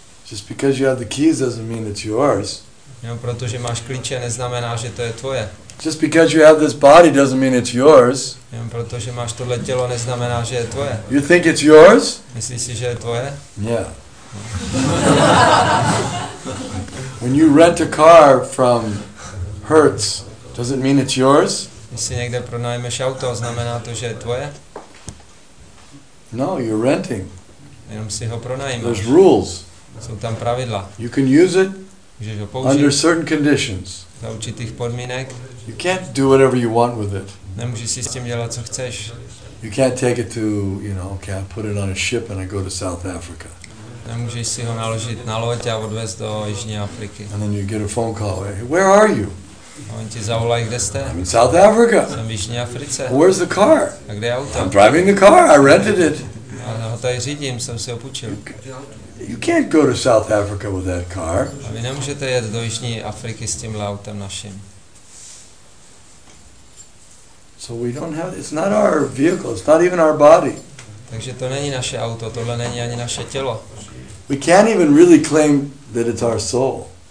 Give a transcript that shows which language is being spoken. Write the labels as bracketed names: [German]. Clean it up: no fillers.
[English] Just because you have the keys doesn't mean it's yours. [Czech] Jenom protože máš klíče, neznamená, že to je tvoje. [English] Just because you have this body doesn't mean it's yours. [Czech] Jenom protože máš tohle tělo, neznamená, že je tvoje. [English] You think it's yours? [Czech] Myslíš si, že je tvoje? [English] Yeah. When you rent a car from Hertz, does it mean it's yours? [Czech] Když si někde pronajmeš auto, znamená to, že je tvoje? [English] No, you're renting. [Czech] Jenom si ho pronajmeš. [English] There's rules. [Czech] Jsou tam pravidla. [English] You can use it under certain conditions. [Czech] Za určitých podmínek. [English] You can't do whatever you want with it. [Czech] Nemůžeš si s tím dělat, co chceš. [English] You can't take it to, you know, okay, I put it on a ship and I go to South Africa. [Czech] Nemůžeš si ho naložit na loď a odvez do jižní Afriky. [English] And then you get a phone call. Hey, where are you? [Czech] On ti zavolá, kde jste? [English] I'm in South Africa. [Czech] Jsem v jižní Africe. [English] Where's the car? [Czech] A kde je auto? [English] I'm driving the car. I rented it. [Czech] A ho tady řídím, jsem si ho půjčil. [English] You can't go to South Africa with that car. [Czech] A vy nemůžete jet do jižní Afriky s tímhle autem naším. [English] So we don't have, it's not our vehicle, it's not even our body. [Czech] Takže to není naše auto, tohle není ani naše tělo. [English] We can't even really claim that it's our soul.